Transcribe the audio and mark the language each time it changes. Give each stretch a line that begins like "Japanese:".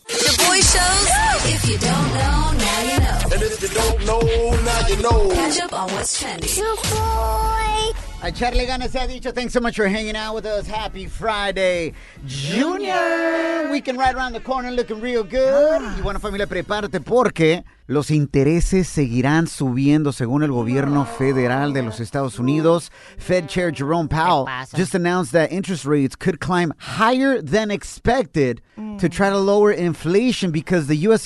English: The Boy Show. If you don't know, now you know. And if you don't know, now you know. Catch up on what's trending. The Boy. Charlie Gana
Spanish: se ha dicho,
English: thanks so much for hanging out with us. Happy Friday, Junior. Weekend right around the corner, looking real good.
Spanish: Y bueno, familia, prepárate porque los intereses seguirán subiendo según el gobierno federal de los Estados Unidos.
English: Fed Chair Jerome Powell just announced that interest rates could climb higher than expected to try to lower inflation because the U.S.